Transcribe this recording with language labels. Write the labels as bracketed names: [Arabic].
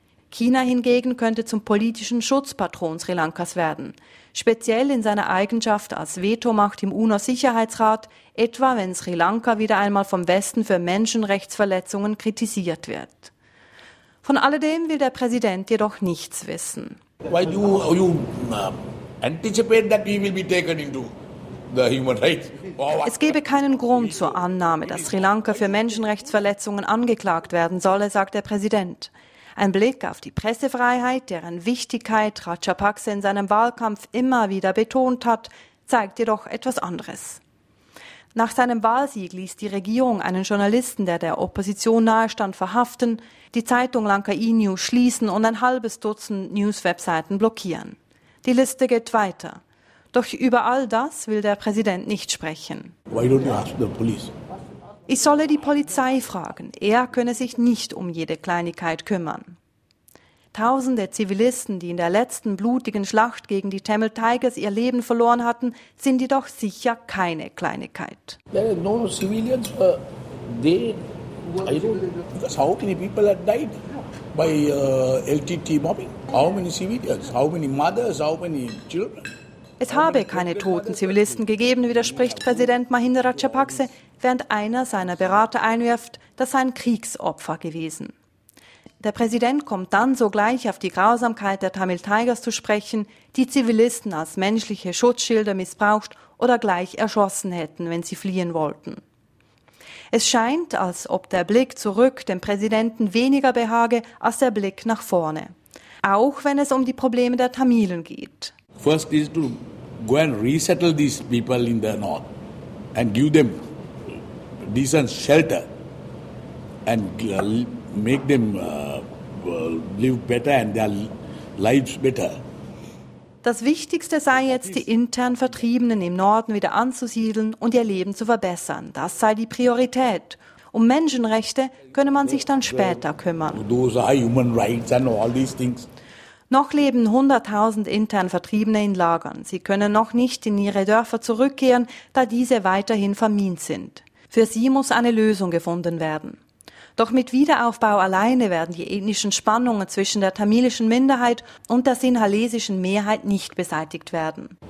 [German] China hingegen könnte zum politischen Schutzpatron Sri Lankas werden, speziell in seiner Eigenschaft als Vetomacht im UNO-Sicherheitsrat, etwa wenn Sri Lanka wieder einmal vom Westen für Menschenrechtsverletzungen kritisiert wird. Von alledem will der Präsident jedoch nichts wissen. [English] Why do you anticipate that we will be taken into the human rights? [German] Es gebe keinen Grund zur Annahme, dass Sri Lanka für Menschenrechtsverletzungen angeklagt werden solle, sagt der Präsident. Ein Blick auf die Pressefreiheit, deren Wichtigkeit Rajapaksa in seinem Wahlkampf immer wieder betont hat, zeigt jedoch etwas anderes. Nach seinem Wahlsieg ließ die Regierung einen Journalisten, der der Opposition nahestand, verhaften, die Zeitung Lanka E-News schließen und ein halbes Dutzend News-Webseiten blockieren. Die Liste geht weiter. Doch über all das will der Präsident nicht sprechen. [English] Why don't you ask the police? [German] Ich solle die Polizei fragen. Er könne sich nicht um jede Kleinigkeit kümmern. Tausende Zivilisten, die in der letzten blutigen Schlacht gegen die Tamil Tigers ihr Leben verloren hatten, sind jedoch sicher keine Kleinigkeit. [English] There are no civilians, how many people had died by LTT mobbing? How many civilians? How many mothers? How many children? [German] Es habe keine toten Zivilisten gegeben, widerspricht Präsident Mahinda Rajapaksa, während einer seiner Berater einwirft, das seien Kriegsopfer gewesen. Der Präsident kommt dann sogleich auf die Grausamkeit der Tamil Tigers zu sprechen, die Zivilisten als menschliche Schutzschilder missbraucht oder gleich erschossen hätten, wenn sie fliehen wollten. Es scheint, als ob der Blick zurück dem Präsidenten weniger behage als der Blick nach vorne. Auch wenn es um die Probleme der Tamilen geht. [English] First is to go and resettle these people in the north and give them decent shelter and make them live better and their lives better. [German] Das Wichtigste sei jetzt, die intern Vertriebenen im Norden wieder anzusiedeln und ihr Leben zu verbessern. Das sei die Priorität. Um Menschenrechte könne man sich dann später kümmern. [English] Those are human rights and all these things. [German] Noch leben 100.000 intern Vertriebene in Lagern. Sie können noch nicht in ihre Dörfer zurückkehren, da diese weiterhin vermint sind. Für sie muss eine Lösung gefunden werden. Doch mit Wiederaufbau alleine werden die ethnischen Spannungen zwischen der tamilischen Minderheit und der sinhalesischen Mehrheit nicht beseitigt werden.